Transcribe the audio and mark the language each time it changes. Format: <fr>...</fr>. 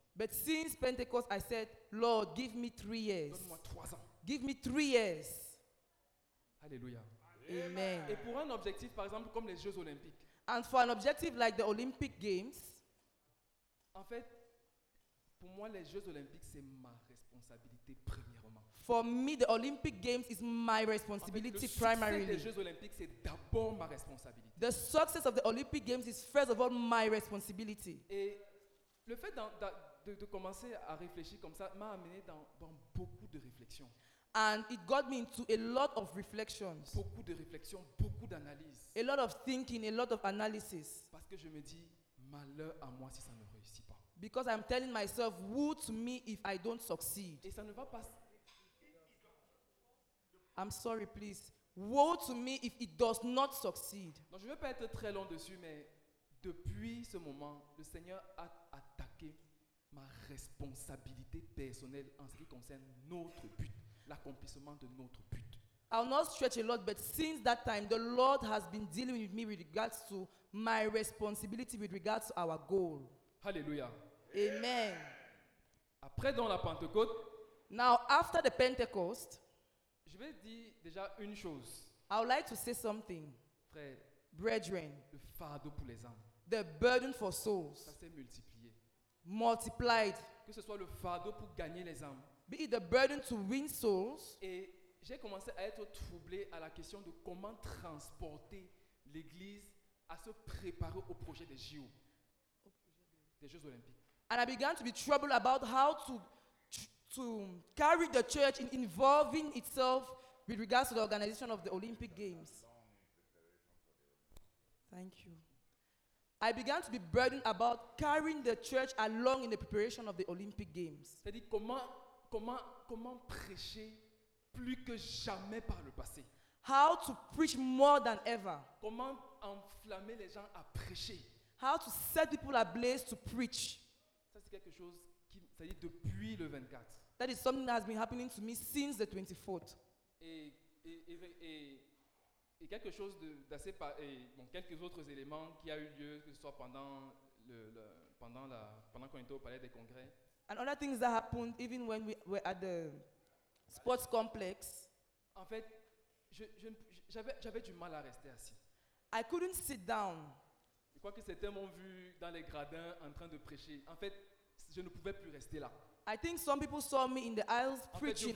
<en>But since Pentecost, I said, Lord, give me 3 years.</en> <fr>Donne-moi 3 ans.</fr> <en>Give me 3 years.</en> <fr>Alléluia. Amen. Et pour un objectif, par exemple, comme les Jeux Olympiques.</fr> <en>And for an objective like the Olympic Games.</en> <fr>En fait. Pour moi, les Jeux Olympiques, c'est ma responsabilité premièrement.</fr> <en>For me, the Olympic Games is my responsibility primarily.</en> <fr>En fait, le succès des Jeux Olympiques, c'est d'abord ma responsabilité.</fr> <en>The success of the Olympic Games is first of all my responsibility.</en> <fr>Et le fait de commencer à réfléchir comme ça m'a amené dans beaucoup de réflexions.</fr> <en>And it got me into a lot of reflections.</en> <fr>Beaucoup de réflexions, beaucoup d'analyses.</fr> <en>A lot of thinking, a lot of analysis.</en> <fr>Parce que je me dis, malheur à moi si ça ne réussit pas.</fr> <en>Because I'm telling myself, woe to me if I don't succeed.</en> <fr>Et ça ne va pas.</fr> <en>I'm sorry, please. Woe to me if it does not succeed.</en> <fr>Donc je ne vais pas être très long dessus, mais depuis ce moment, le Seigneur a attaqué ma responsabilité personnelle en ce qui concerne notre but, l'accomplissement de notre but.</fr> <en>I'll not stretch a lot, but since that time, the Lord has been dealing with me with regards to my responsibility, with regards to our goal.</en> <fr>Alléluia. Amen. Après donc la Pentecôte.</fr> <en>Now after the Pentecost.</en> <fr>Je vais dire déjà une chose.</fr> <en>I would like to say something.</en> <fr>Frère.</fr> <en>Brethren.</en> <fr>Le fardeau pour les âmes.</fr> <en>The burden for souls.</en> <fr>Ça s'est multiplié.</fr> <en>Multiplied.</en> <fr>Que ce soit le fardeau pour gagner les âmes.</fr> <en>Be it the burden to win souls.</en> <fr>Et j'ai commencé à être troublé à la question de comment transporter l'Église à se préparer au projet des JO.</fr> <en>And I began to be troubled about how to carry the church in involving itself with regards to the organization of the Olympic Games. Thank you. I began to be burdened about carrying the church along in the preparation of the Olympic Games.</en> <fr>C'est-à-dire comment prêcher plus que jamais par le passé.</fr> <en>How to preach more than ever.</en> <fr>Comment enflammer les gens à prêcher.</fr> <en>How to set people ablaze to preach.</en> <fr>Ça c'est quelque chose qui, ça dit depuis le 24.</fr> <en>That is something that has been happening to me since the 24th.</en> <fr>Et quelque chose de, d'assez pas, et bon, quelques autres éléments qui a eu lieu, que ce soit pendant le pendant la pendant qu'on était au palais des congrès.</fr> <en>And other things that happened even when we were at the sports complex.</en> <fr>En fait, j'avais du mal à rester assis.</fr> <en>I couldn't sit down.</en> <fr>Je crois que certains m'ont vu dans les gradins en train de prêcher. En fait, je ne pouvais plus rester là.</fr> <en>I think some people saw me in the aisles preaching.</en>